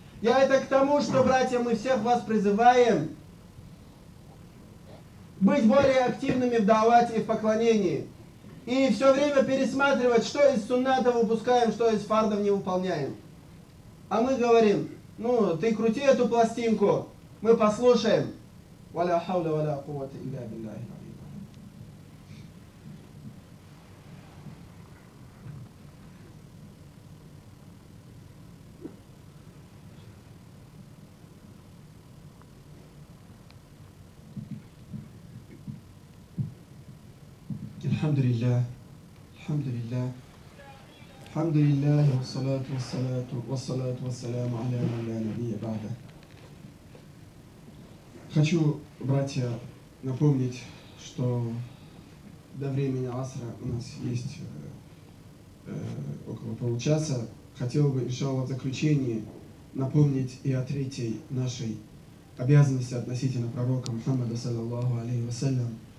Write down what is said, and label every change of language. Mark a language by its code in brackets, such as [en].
[ru] Я это к тому, что, братья, мы всех вас призываем быть более активными в даавате и в поклонении. И все время пересматривать, что из сунната выпускаем, что из фардов не выполняем. А мы говорим: ну, ты крути эту пластинку, мы послушаем. [ar] ولا حول ولا قوة إلا بالله العلي العظيم. الحمد لله الحمد لله الحمد لله والصلاة والسلام على من لا نبي بعده. [ru] Хочу, братья, напомнить, что до времени Асра у нас есть около получаса. Хотел бы, иншаллах, в заключение напомнить и о третьей нашей обязанности относительно пророка Мухаммада, саллаллаху алейхи вассалям.